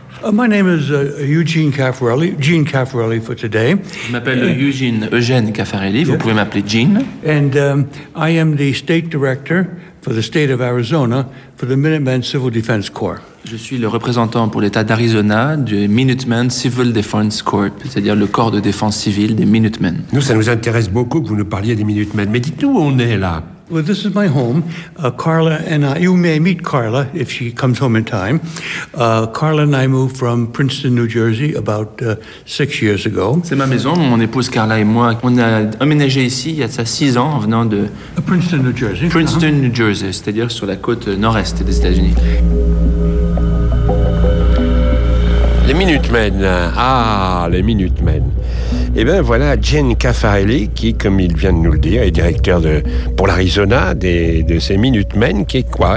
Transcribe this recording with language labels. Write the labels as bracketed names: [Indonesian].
[English] My name is Eugene Caffarelli, Gene Caffarelli for today. [French] Je m'appelle Eugène Caffarelli, vous pouvez m'appeler Gene. [English] And I am the state director for the state of Arizona for the Minuteman Civil Defense Corps. [French] Je suis le représentant pour l'état d'Arizona du Minuteman Civil Defense Corps, c'est-à-dire le corps de défense civile des Minutemen. Nous, ça nous intéresse beaucoup que vous nous parliez des Minutemen, mais dites-nous où on est là. [English] Well, this is my home. Carla and I, you may meet Carla if she comes home in time. Carla and I moved from Princeton, New Jersey about 6 years ago. [French] C'est ma maison. Mon épouse Carla et moi, on a emménagé ici il y a ça 6 ans en venant de... [English] Princeton, New Jersey. [French] Princeton, New Jersey, c'est-à-dire sur la côte nord-est des États-Unis. Les Minutemen. Ah, les Minutemen. Eh bien, voilà Gene Caffarelli qui, comme il vient de nous le dire, est directeur pour l'Arizona de ces Minutemen, qui est quoi?